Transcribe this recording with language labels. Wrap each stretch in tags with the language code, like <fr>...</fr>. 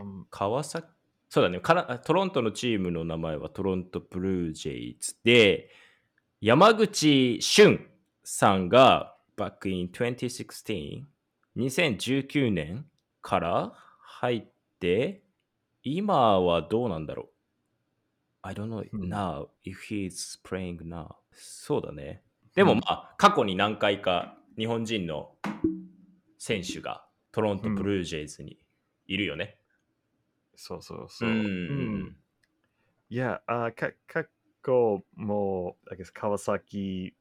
<ja>川崎、そうだね、トロントのチームの名前はトロントブルージェイズで、山口俊さんが、バックイン2016年から入って、今はどうなんだろう。</ja> <en>I don't know now if he's playing now.</en> <ja>そうだね。でもまあ、うん、過去に何回か日本人の選手がトロントブルージェイズにいるよね。うん、そうそうそう。うん、いや、過去も、</ja> <en>I guess</en> <ja>川崎</ja>